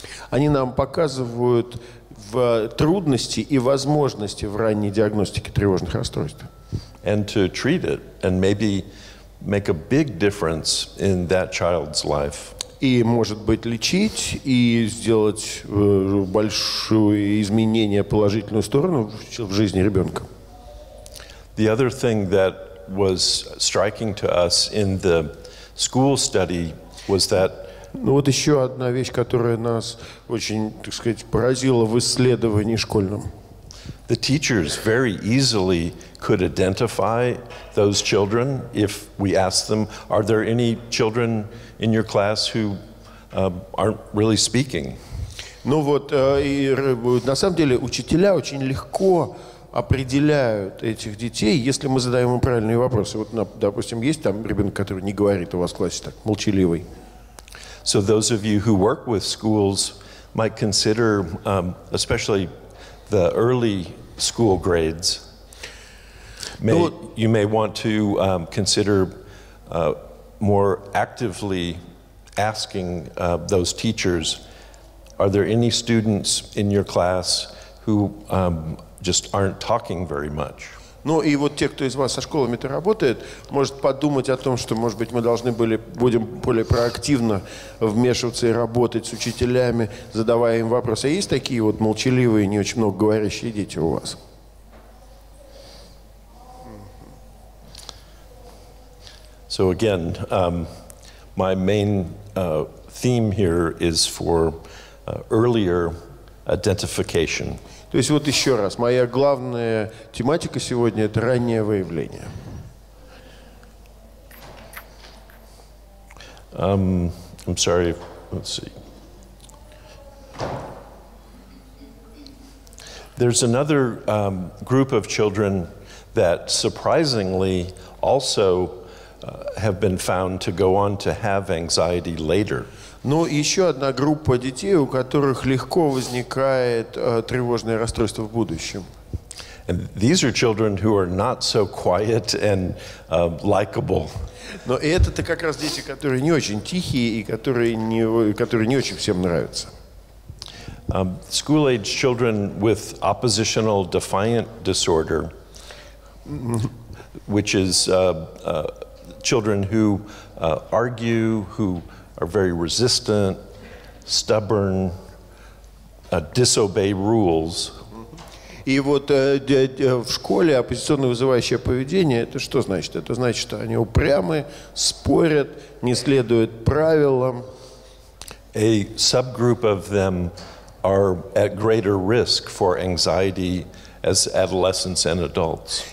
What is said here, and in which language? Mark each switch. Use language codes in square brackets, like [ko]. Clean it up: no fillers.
[ru] Они нам показывают в трудности и возможности в ранней диагностике тревожных расстройств. [en] And to treat it and maybe make a big difference in that child's life. [ru] И, может быть, лечить и сделать большое изменение, положительную сторону в жизни ребенка. [en] The other thing that was striking to us in the school study was that [ru] Ну вот еще одна вещь, которая нас очень, так сказать, поразила в исследовании школьном. [en] The teachers very easily could identify those children if we asked them, are there any children in your class who aren't really speaking? [ru] Ну вот, на самом деле учителя очень легко определяют этих детей, если мы задаем им правильные вопросы. Вот, допустим, есть там ребенок, который не говорит у вас в классе так, молчаливый. [en] So those of you who work with schools might consider, especially the early school grades, you may want to consider more actively asking those teachers, are there any students in your class who just aren't talking very much? [ru] Ну и вот те, кто из вас со школами-то работает, может подумать о том, что, может быть, мы должны были будем более проактивно вмешиваться и работать с учителями, задавая им вопросы. А есть такие вот молчаливые, не очень много говорящие дети у вас? [en] So again, my main theme here is for earlier identification. [ru] То есть вот еще раз, моя главная тематика сегодня – это раннее выявление. [en] I'm sorry, let's see. There's another group of children that surprisingly also have been found to go on to have anxiety later. [ru] Но еще одна группа детей, у которых легко возникает тревожное расстройство в будущем. [en] And these are children who are not so quiet and likable. [ru] Но это-то как раз дети, которые не очень тихие и которые не очень всем нравятся. [en] School-age children with oppositional defiant disorder, which is children who argue, who are very resistant, stubborn, disobey rules. [ru] И вот в школе оппозиционно вызывающее поведение, это что значит? Это значит, что они упрямы, спорят, не следуют правилам. [en] A subgroup of them are at greater risk for anxiety as adolescents and adults.